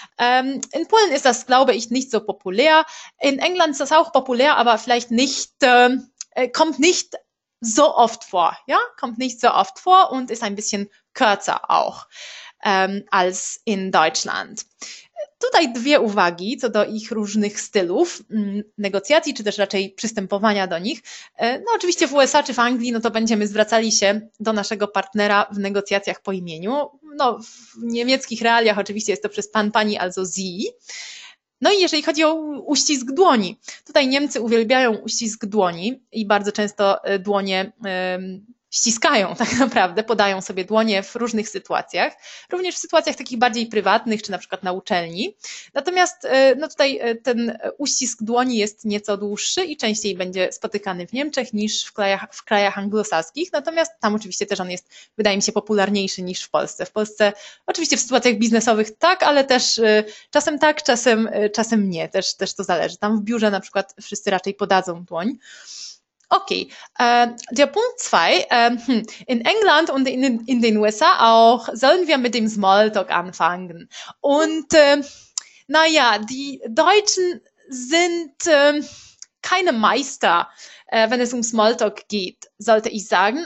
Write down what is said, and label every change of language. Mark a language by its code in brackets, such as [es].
[de] In Polen ist das, glaube ich, nicht so populär. In England ist das auch populär, aber vielleicht nicht, kommt nicht so oft vor. Ja, kommt nicht so oft vor und ist ein bisschen kürzer auch als in Deutschland. [pl] Tutaj dwie uwagi co do ich różnych stylów negocjacji, czy też raczej przystępowania do nich. No oczywiście w USA czy w Anglii, no to będziemy zwracali się do naszego partnera w negocjacjach po imieniu. No w niemieckich realiach oczywiście jest to przez pan, pani, [de] also sie. [pl] No i jeżeli chodzi o uścisk dłoni. Tutaj Niemcy uwielbiają uścisk dłoni i bardzo często dłonie ściskają tak naprawdę, podają sobie dłonie w różnych sytuacjach, również w sytuacjach takich bardziej prywatnych, czy na przykład na uczelni. Natomiast no tutaj ten uścisk dłoni jest nieco dłuższy i częściej będzie spotykany w Niemczech niż w krajach anglosaskich. Natomiast tam oczywiście też on jest, wydaje mi się, popularniejszy niż w Polsce. W Polsce oczywiście w sytuacjach biznesowych tak, ale też czasem tak, czasem nie. Też to zależy. Tam w biurze na przykład wszyscy raczej podadzą dłoń. [de] Okay, der Punkt 2, in England und in den USA auch sollen wir mit dem Smalltalk anfangen. Und naja, die Deutschen sind keine Meister, wenn es um Smalltalk geht, sollte ich sagen.